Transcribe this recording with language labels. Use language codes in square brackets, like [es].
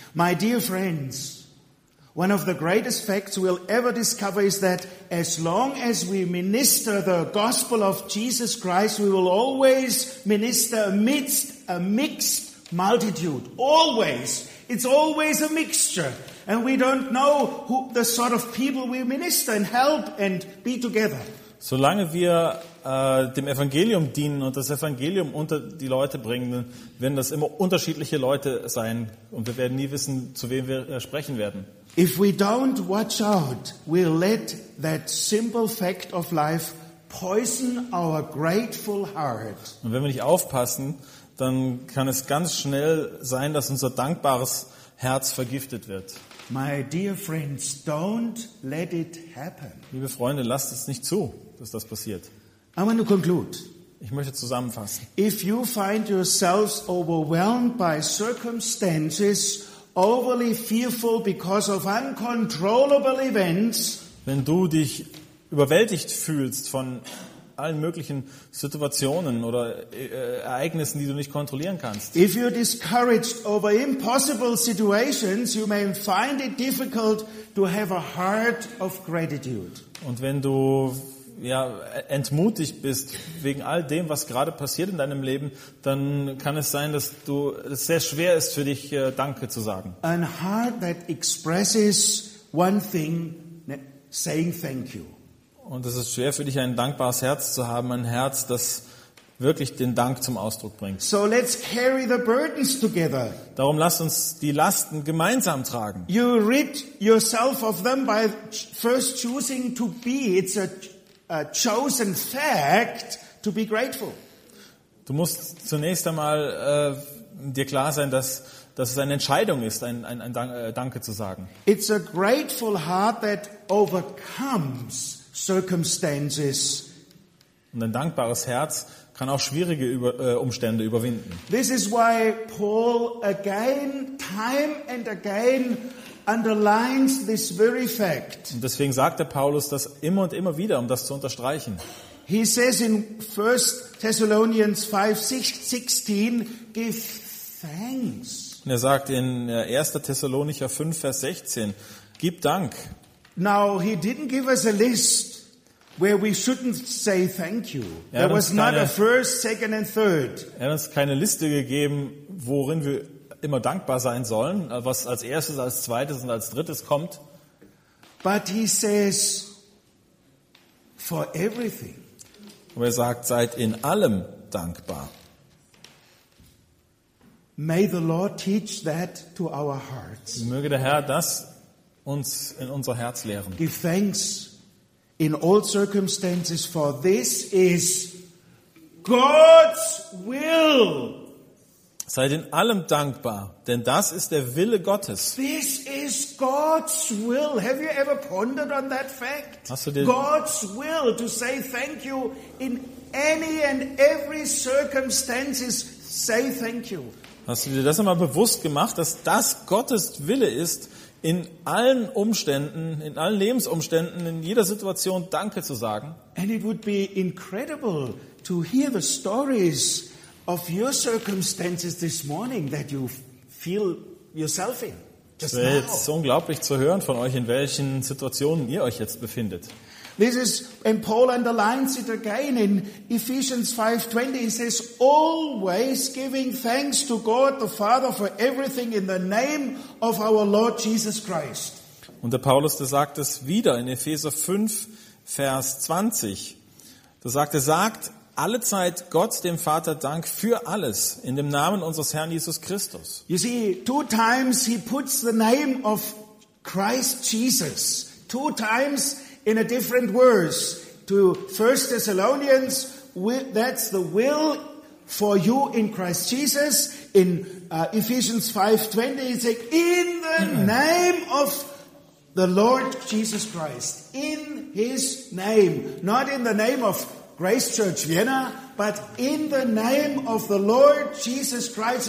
[en] My dear friends, one of the greatest facts we'll ever discover is that as long as we minister the gospel of Jesus Christ, we will always minister amidst a mixed multitude. Always. It's always a mixture. And we don't know who the sort of people we minister and help and be together. [de] Solange wir dem Evangelium dienen und das Evangelium unter die Leute bringen, werden das immer unterschiedliche Leute sein und wir werden nie wissen, zu wem wir sprechen werden. [en] If we don't watch out, we'll let that simple fact of life poison our grateful heart. [de] Und wenn wir nicht aufpassen, dann kann es ganz schnell sein, dass unser dankbares Herz vergiftet wird. [en] My dear friends, don't let it happen. [de] Liebe Freunde, lasst es nicht zu, dass das passiert. [en] I want to conclude. [de] Ich möchte zusammenfassen. [en] If you find yourselves overwhelmed by circumstances, overly fearful because of uncontrollable events, [de] wenn du dich überwältigt fühlst von allen möglichen Situationen oder Ereignissen, die du nicht kontrollieren kannst. [en] If you're discouraged over impossible situations, you may find it difficult to have a heart of gratitude. [de] Und wenn du ja entmutigt bist wegen all dem, was gerade passiert in deinem Leben, dann kann es sein, dass du es sehr schwer ist für dich Danke zu sagen. [en] A heart that expresses one thing, saying thank you. [de] Und es ist schwer für dich, ein dankbares Herz zu haben, ein Herz, das wirklich den Dank zum Ausdruck bringt. [en] So let's carry the burdens together. [de] Darum lasst uns die Lasten gemeinsam tragen. [en] You rid yourself of them by first choosing to be. It's a chosen fact to be grateful. [de] Du musst zunächst einmal dir klar sein, dass es eine Entscheidung ist, ein Danke zu sagen. [en] It's a grateful heart that overcomes circumstances. [de] Und ein dankbares Herz kann auch schwierige Umstände überwinden. [en] This is why Paul again, time and again, underlines this very fact. [de] Und deswegen sagt der Paulus das immer und immer wieder, um das zu unterstreichen. [en] He says in 1 Thessalonians 5:16, give thanks. [de] Und er sagt in 1. Thessalonicher 5, Vers 16, gib Dank. [en] Now he didn't give us a list where we shouldn't say thank you. There was not a first, second and third. [de] Er hat uns keine Liste gegeben, worin wir immer dankbar sein sollen, was als erstes, als zweites und als drittes kommt. [en] But he says for everything. [de] Und er sagt, seid in allem dankbar. [en] May the Lord teach that to our hearts. [de] Möge der Herr das uns in unser Herz lehren. [en] Give thanks in all circumstances, for this is God's will. [de] Seid in allem dankbar, denn das ist der Wille Gottes. [en] This is God's will. Have you ever pondered on that fact? [de] Hast du dir [en] God's will to say thank you in any and every circumstances, say thank you. [de] Hast du dir das einmal bewusst gemacht, dass das Gottes Wille ist, in allen Umständen, in allen Lebensumständen, in jeder Situation Danke zu sagen? [en] And it would be incredible to hear the stories of your circumstances this morning that you feel yourself in. [de] Es wäre jetzt unglaublich zu hören von euch, in welchen Situationen ihr euch jetzt befindet. [en] This is, and Paul underlines it again in Ephesians 5:20. He says, always giving thanks to God the Father for everything in the name of our Lord Jesus Christ. [de] Und der Paulus, der sagt es wieder in Epheser 5, Vers 20. Da sagt er, sagt allezeit Gott dem Vater Dank für alles in dem Namen unseres Herrn Jesus Christus. [en] You see, two times he puts the name of Christ Jesus. Two times in a different verse to 1 Thessalonians, that's the will for you in Christ Jesus. In Ephesians 5:20, he says, in the name of the Lord Jesus Christ, in his name, not in the name of Grace Church Vienna, but in the name of the Lord Jesus Christ.